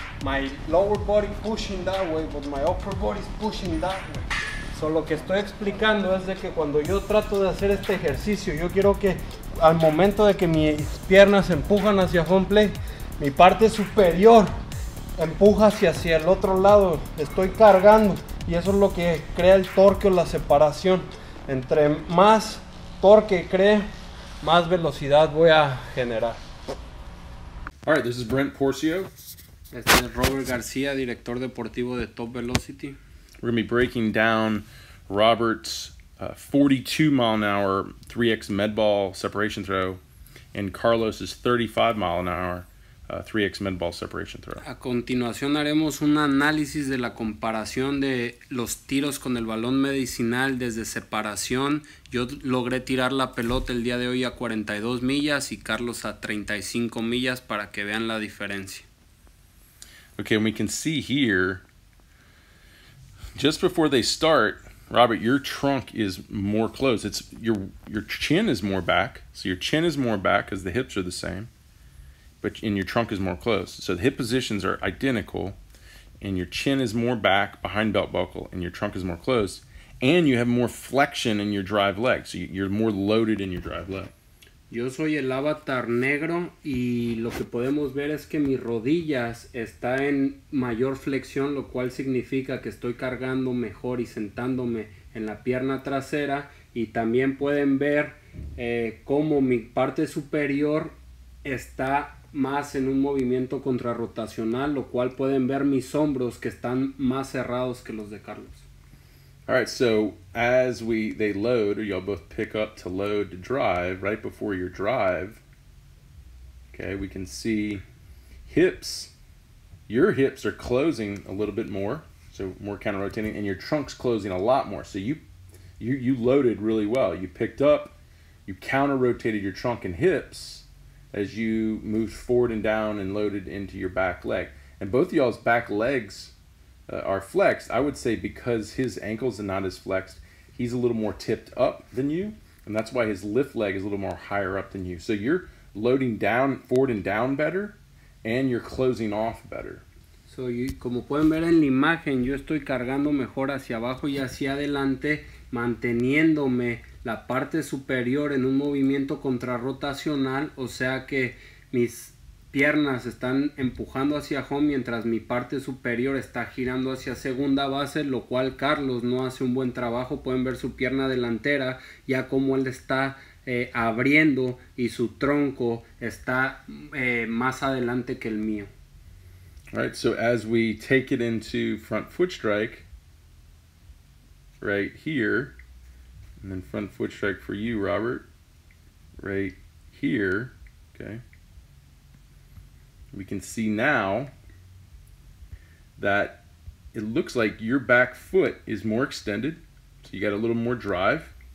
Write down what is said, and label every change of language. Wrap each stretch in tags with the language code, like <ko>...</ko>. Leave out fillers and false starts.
<en>My lower body pushing that way, but my upper body is pushing that way.</en> <es>So lo que estoy explicando es de que cuando yo trato de hacer este ejercicio, yo quiero que al momento de que mis piernas empujan hacia home plate, mi parte superior empuja hacia el otro lado, estoy cargando. Y eso es lo que crea el torque o la separación. Entre más torque cree, más velocidad voy a generar.</es> <en>All right, this is Brent Porcio.</en> <es>Este es Robert García, director deportivo de Top Velocity.</es> <en>We're going to be breaking down Robert's 42 mile an hour 3X med ball separation throw and Carlos's 35 mile an hour 3X med ball separation throw.</en> <es>A continuación haremos un análisis de la comparación de los tiros con el balón medicinal desde separación. Yo logré tirar la pelota el día de hoy a 42 millas y Carlos a 35 millas para que vean la diferencia.</es> <en>Okay, and we can see here, just before they start, Robert, your trunk is more closed. It's your chin is more back. So your chin is more back because the hips are the same. But in your trunk is more closed. So the hip positions are identical and your chin is more back behind belt buckle and your trunk is more closed and you have more flexion in your drive leg. So you're more loaded in your drive leg.</en> <es>Yo soy el avatar negro y lo que podemos ver es que mis rodillas está en mayor flexión, lo cual significa que estoy cargando mejor y sentándome en la pierna trasera. Y también pueden ver cómo mi parte superior está más en un movimiento contrarrotacional, lo cual pueden ver mis hombros que están más cerrados que los de Carlos.</es> <en>All right, so as they load, or y'all both pick up to load to drive, right before your drive, okay, we can see hips, your hips are closing a little bit more, so more counter-rotating, and your trunk's closing a lot more. So you loaded really well. You picked up, you counter-rotated your trunk and hips as you moved forward and down and loaded into your back leg. And both of y'all's back legs are flexed. I would say because his ankles are not as flexed, he's a little more tipped up than you, and that's why his lift leg is a little more higher up than you. So you're loading down, forward and down better, and you're closing off better. So you,</en> <es>como pueden ver en la imagen, yo estoy cargando mejor hacia abajo y hacia adelante, manteniéndome la parte superior en un movimiento contrarrotacional, o sea que mis piernas están empujando hacia home mientras mi parte superior está girando hacia segunda base, lo cual Carlos no hace un buen trabajo. Pueden ver su pierna delantera, ya como él está abriendo y su tronco está más adelante que el mío.</es> <en>All right, so as we take it into front foot strike, right here, and then front foot strike for you, Robert, right here, okay. We can see now that it looks like your back foot is more extended, so you got a little more drive.</en>